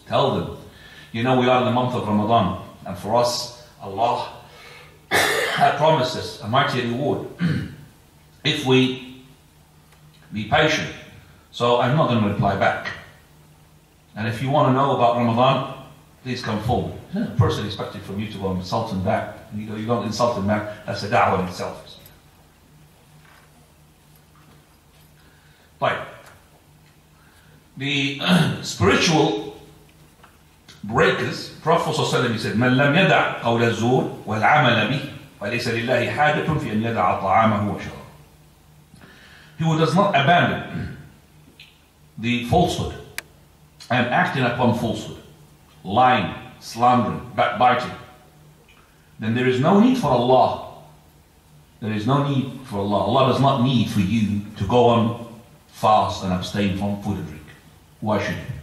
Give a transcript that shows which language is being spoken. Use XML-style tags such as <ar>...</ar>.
<en>Tell them, you know, we are in the month of Ramadan, and for us, Allah had promised us a mighty reward if we be patient. So I'm not going to reply back. And if you want to know about Ramadan, please come forward. Isn't a person expected from you to go and insult him back? You don't insult him back. That's a da'wah in itself. But the spiritual breakers, Prophet ﷺ said,</en> <ar>"من لم يدع قول الزور والعمل به فليس لله حاجة في أن يدع طعامه وشرابه."</ar> <en>He who does not abandon the falsehood and acting upon falsehood, lying, slandering, backbiting, then there is no need for Allah. There is no need for Allah. Allah does not need for you to go on fast and abstain from food and drink. Why should you?</en>